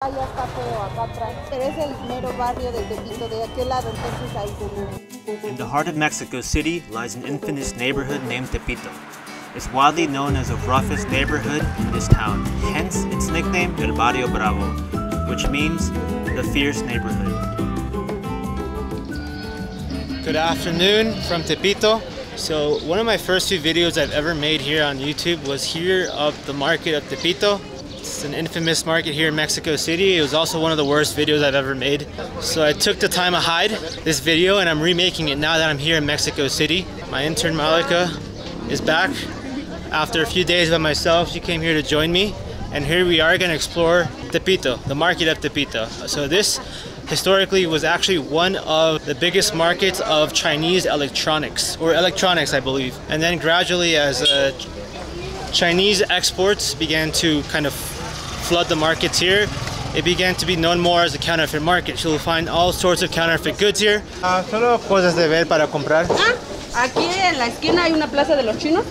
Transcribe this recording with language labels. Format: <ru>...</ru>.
<es>Ah, ya está feo acá atrás, pero es el mero barrio del Tepito, de aquel lado, entonces hay como...</es> <en>In the heart of Mexico City lies an infamous neighborhood named Tepito. It's widely known as the roughest neighborhood in this town, hence its nickname, El Barrio Bravo, which means the fierce neighborhood. Good afternoon from Tepito. So one of my first few videos I've ever made here on YouTube was here of the market of Tepito. It's an infamous market here in Mexico City. It was also one of the worst videos I've ever made. So I took the time to hide this video and I'm remaking it now that I'm here in Mexico City. My intern Malika is back. After a few days by myself, she came here to join me. And here we are gonna explore Tepito, the market of Tepito. So this historically was actually one of the biggest markets of Chinese electronics, or electronics, I believe. And then gradually as Chinese exports began to kind of flood the markets here, it began to be known more as a counterfeit market. So you'll find all sorts of counterfeit goods here.</en> <es>Solo cosas de ver para comprar. Aquí en la esquina hay una plaza de los chinos.</es>